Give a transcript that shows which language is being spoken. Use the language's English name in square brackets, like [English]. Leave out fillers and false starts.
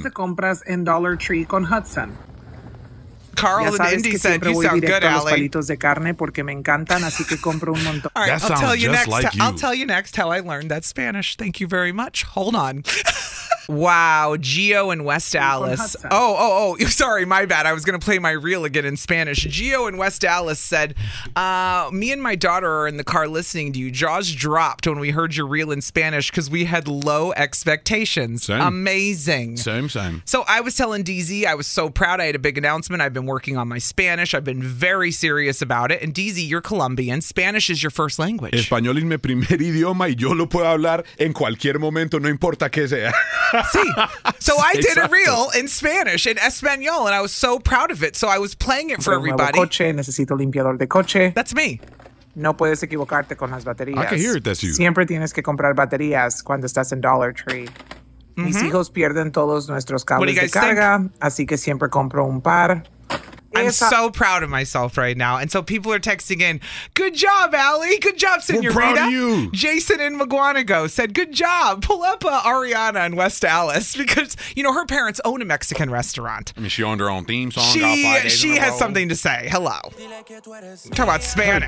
[Spanish] Vamos de compras en Dollar Tree con Hudson. [English] Carl and Indy said you sound good, Ali. [Spanish] Los palitos de carne porque me encantan, así que compro un montón. [English] All right, I'll tell you next. I'll tell you next how I learned that Spanish. Thank you very much. Hold on. Wow, Gio in West Dallas. Oh, sorry, my bad. I was going to play my reel again in Spanish. Gio in West Dallas said, me and my daughter are in the car listening to you. Jaws dropped when we heard your reel in Spanish because we had low expectations. Same. Amazing. Same. So I was telling DZ I was so proud. I had a big announcement. I've been working on my Spanish. I've been very serious about it. And DZ, you're Colombian. Spanish is your first language. [Spanish] Español es mi primer idioma y yo lo puedo hablar en cualquier momento, no importa qué sea. [English] See, so I did a reel in Spanish, in Espanol, and I was so proud of it. So I was playing it for everybody. [Spanish] Coche, necesito limpiador de coche. [English] That's me. [Spanish] No puedes equivocarte con las baterías. [English] I can hear it, that's you. [Spanish] Siempre tienes que comprar baterías cuando estás en Dollar Tree. Mm-hmm. Mis hijos pierden todos nuestros cables de carga, así que siempre compro un par. [English] I'm so proud of myself right now. And so people are texting in, good job, Allie. Good job, Senorita. We're proud of you. Jason in Maguanago said, good job. Pull up Ariana in West Dallas because, you know, her parents own a Mexican restaurant. I mean, she owned her own theme song. She has something to say. Hello. Talk about Spanish.